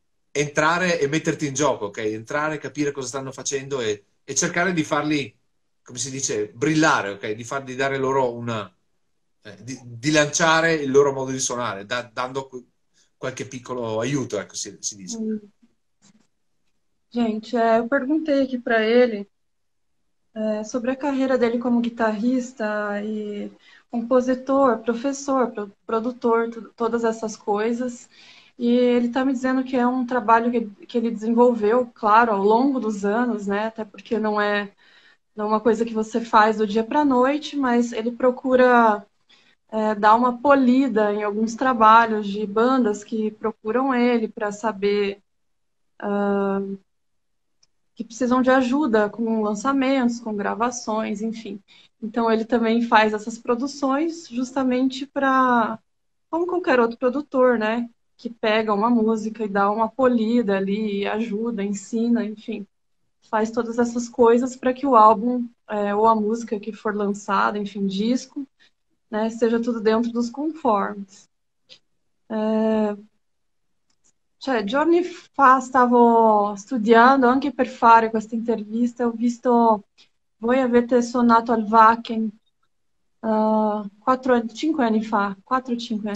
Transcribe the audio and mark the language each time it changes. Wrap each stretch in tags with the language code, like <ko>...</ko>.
<it>Entrare e metterti in gioco, ok? Entrare, capire cosa stanno facendo, e cercare di farli, come si dice, brillare, ok? Di fargli dare loro una. Di lanciare il loro modo di suonare, dando qualche piccolo aiuto, ecco, si dice.</it> <pt>Gente, eu perguntei aqui para ele sobre a carreira dele como guitarrista e compositor, professor, produtor, todas essas coisas. E ele está me dizendo que é um trabalho que ele desenvolveu, claro, ao longo dos anos, né? Até porque não é uma coisa que você faz do dia para a noite, mas ele procura dar uma polida em alguns trabalhos de bandas que procuram ele para saber que precisam de ajuda com lançamentos, com gravações, enfim. Então ele também faz essas produções justamente para, como qualquer outro produtor, né? Que pega uma música e dá uma polida ali, ajuda, ensina, enfim. Faz todas essas coisas para que o álbum, ou a música que for lançada, enfim, disco, né, seja tudo dentro dos conformes.</pt> <it>Cioè, giorni fa stavo studiando anche per fare questa intervista, ho visto voi avete suonato al Wacken 5 anni fa, 4-5 anni</it>